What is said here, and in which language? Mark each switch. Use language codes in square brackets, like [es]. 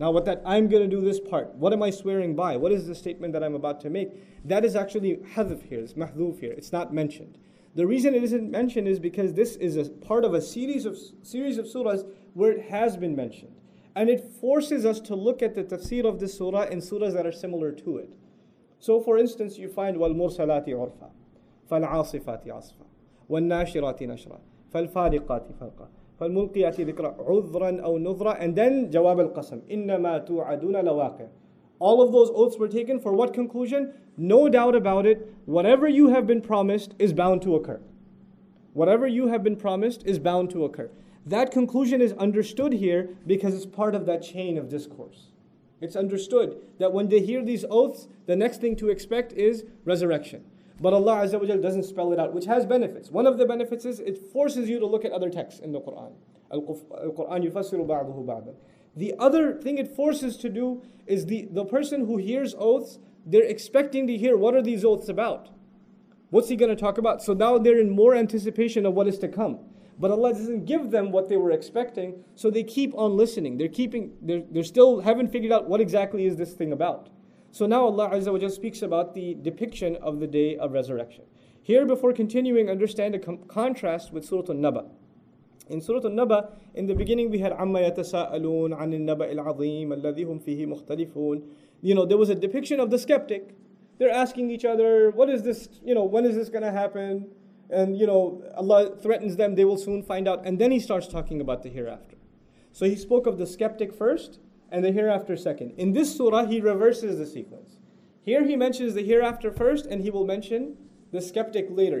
[en] Now what that I'm going to do this part, what am I swearing by? What is the statement that I'm about to make? That is actually hadhf here, it's mahdhuf here, it's not mentioned. The reason it isn't mentioned is because this is a part of a series of surahs where it has been mentioned. And it forces us to look at the tafsir of this surah in surahs that are similar to it. So for instance, you find [ar] وَالْمُرْسَلَاتِ عُرْفًا فَالْعَاصِفَاتِ عَصْفًا وَالنَّاشِرَاتِ نَشْرًا فَالْفَارِقَاتِ فَرْقًا فَالْمُلْقِيَاتِ ذِكْرًا عُذْرًا أَوْ نُذْرًا. [en] And then [ar] جواب القسم إِنَّمَا تُوعَدُونَ لَوَاقِعٌ. [en] All of those oaths were taken for what conclusion? No doubt about it, whatever you have been promised is bound to occur. Whatever you have been promised is bound to occur. That conclusion is understood here because it's part of that chain of discourse. It's understood that when they hear these oaths, the next thing to expect is resurrection. But Allah Azza wa Jal doesn't spell it out, which has benefits. One of the benefits is it forces you to look at other texts in the Qur'an. [ar] Al-Qur'an yufassiru ba'dahu ba'dan. [en] The other thing it forces to do is the person who hears oaths, they're expecting to hear what are these oaths about? What's he going to talk about? So now they're in more anticipation of what is to come. But Allah doesn't give them what they were expecting, so they keep on listening. They're still haven't figured out what exactly is this thing about. So now Allah Azza wa Jalla speaks about the depiction of the day of resurrection. Here, before continuing, understand a contrast with Surah An-Naba. In Surah An-Naba, in the beginning we had [ar] عَمَّ يَتَسَاءَلُونَ عَنِ النَّبَإِ الْعَظِيمِ الَّذِي هُمْ فِيهِ مُخْتَلِفُونَ. [en] You know, there was a depiction of the skeptic. They're asking each other, what is this, you know, when is this going to happen? And you know, Allah threatens them, they will soon find out. And then he starts talking about the hereafter. So he spoke of the skeptic first, and the hereafter second. In this surah, he reverses the sequence. Here he mentions the hereafter first, and he will mention the skeptic later.